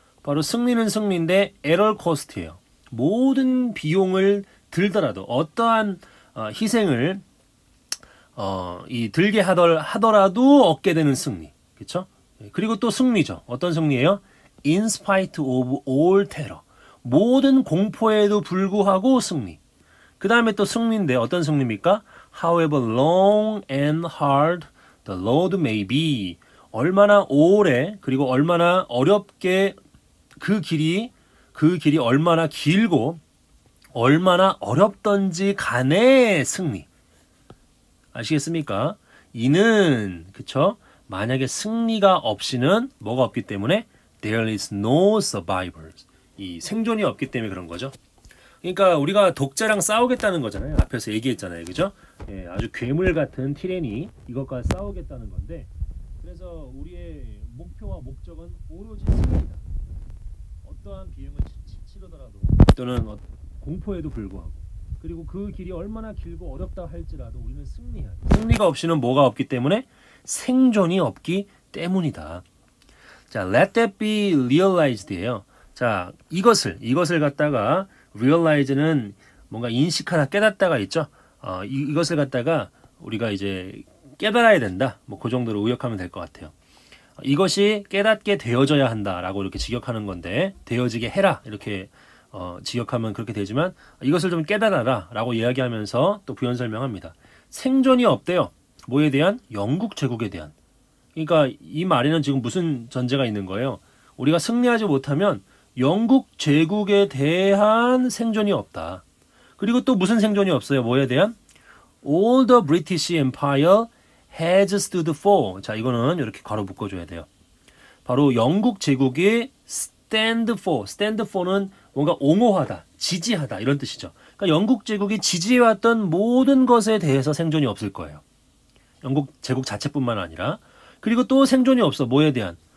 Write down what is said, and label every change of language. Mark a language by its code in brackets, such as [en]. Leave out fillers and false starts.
[ko] 바로 승리는 승리인데 [en] error cost [ko] 예요. 모든 비용을 들더라도 어떠한 희생을 들게 하더라도 얻게 되는 승리. 그렇죠? 그리고 또 승리죠. 어떤 승리예요? [en] In spite of all terror. [ko] 모든 공포에도 불구하고 승리. 그 다음에 또 승리인데 어떤 승리입니까? [en] However long and hard the road may be. [ko] 얼마나 오래 그리고 얼마나 어렵게 그 길이 얼마나 길고 얼마나 어렵던지 간에 승리. 아시겠습니까? 이는 그쵸? 만약에 승리가 없이는 뭐가 없기 때문에 [en] There is no survivors. [ko] 이 생존이 없기 때문에 그런 거죠. 그러니까 우리가 독재랑 싸우겠다는 거잖아요. 앞에서 얘기했잖아요. 그죠? 예, 아주 괴물 같은 티레니 이것과 싸우겠다는 건데 그래서 우리의 목표와 목적은 오로지 승리다. 어떠한 비용을 치르더라도 또는 공포에도 불구하고 그리고 그 길이 얼마나 길고 어렵다 할지라도 우리는 승리해야 돼. 승리가 없이는 뭐가 없기 때문에? 생존이 없기 때문이다. 자, [en] let that be realized [ko] 예요. 자, 이것을 갖다가 realize는 뭔가 인식하다 깨닫다가 있죠. 이것을 갖다가 우리가 이제 깨달아야 된다. 뭐 그 정도로 의역하면 될 것 같아요. 이것이 깨닫게 되어져야 한다라고 이렇게 직역하는 건데 되어지게 해라 이렇게 직역하면 그렇게 되지만 이것을 좀 깨달아라라고 이야기하면서 또 부연 설명합니다. 생존이 없대요. 뭐에 대한? 영국 제국에 대한. 그러니까 이 말에는 지금 무슨 전제가 있는 거예요? 우리가 승리하지 못하면 영국 제국에 대한 생존이 없다. 그리고 또 무슨 생존이 없어요? 뭐에 대한? [en] All the British Empire has stood for. [ko] 자, 이거는 이렇게 괄호 묶어줘야 돼요. 바로 영국 제국이 stand for. Stand for는 뭔가 옹호하다, 지지하다 이런 뜻이죠. 그러니까 영국 제국이 지지해왔던 모든 것에 대해서 생존이 없을 거예요. 영국 제국 자체뿐만 아니라. 그리고 또 생존이 없어. 뭐에 대한?